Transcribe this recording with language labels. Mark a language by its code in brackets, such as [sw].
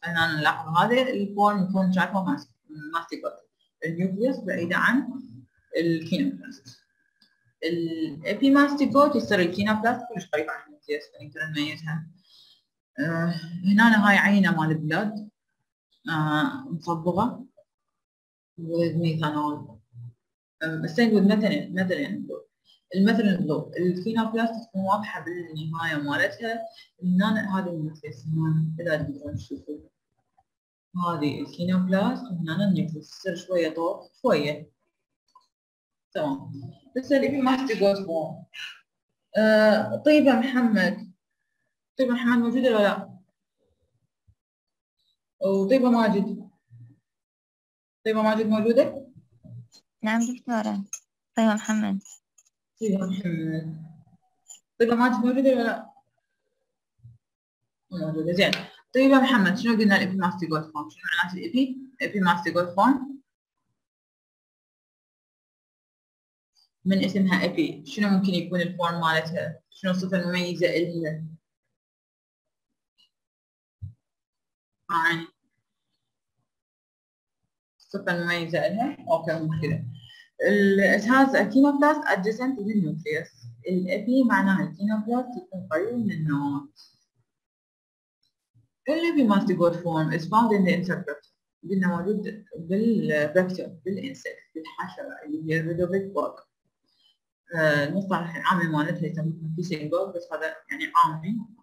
[ar] فهنا نلاحظ هذا الفورم يكون ترايكوماستيغوت. النيوكليس بعيدة عن الكينوبلاست. الابيماستيغوت يصير الكينوبلاست كلش قريب عن النيوكليس فنقدر نميزها. هنا هاي عينة مال البلاد مصبغة. [en] with methanol same with methylene blue. [ar] المثلين بلو الكينوبلاست تكون واضحة بالنهاية مالتها هنا هذا النيوكليس هنا إذا تقدرون تشوفوا هذه الكينوبلاست وهنا النيوكليس تصير شوية طوق شوية تمام. بس الإبي ماستيغوت فورم طيبة محمد طيبة محمد موجودة ولا لا؟ وطيبة ماجد طيبة ماجد موجودة؟ نعم دكتورة. طيبة محمد. طيبة محمد. طيبة ماجد موجودة ولا لا؟ موجودة زين. طيبة محمد شنو قلنا الإبي ماستيغوت فورم؟ شنو معناته الإبي؟ إبي ماستيغوت فورم؟ من اسمها ابي شنو ممكن يكون الفورم مالتها؟ شنو الصفه المميزه لها؟ يعني الصفه المميزه لها؟ اوكي مو كذا. [en] It has a kinoplast adjacent to the nucleus. [ar] الابي معناها الكينوبلاست يكون قريب من النواه. الابي مالتيجود فورم [en] is found in the insect. [ar] قلنا موجود بالفيكتور بالانسكت بالحشره اللي هي الريدوفيت بوك. المصطلح العامي مالتها يسموها فيسينج بوك بس هذا يعني عامي.